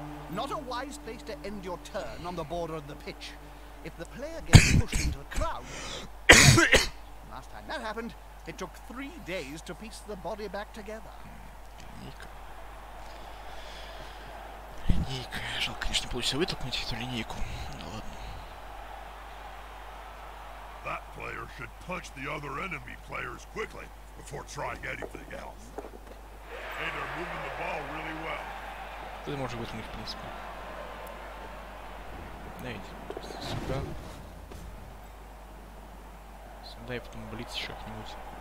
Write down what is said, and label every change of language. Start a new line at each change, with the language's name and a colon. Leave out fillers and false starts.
English: not a wise place to end your turn on the border of the pitch. If the player gets pushed into the crowd... Last time that happened, it took 3 days to piece the body back together.
Russian: Линейка. Жалко, конечно, получится вытолкнуть эту линейку. Ну ладно.
English: That player should punch the other enemy players quickly before trying anything else. And they're moving the ball really well.
Russian: Это может вытолкнуть, в принципе. Да, ведь сюда. Сюда и потом блиц еще как-нибудь.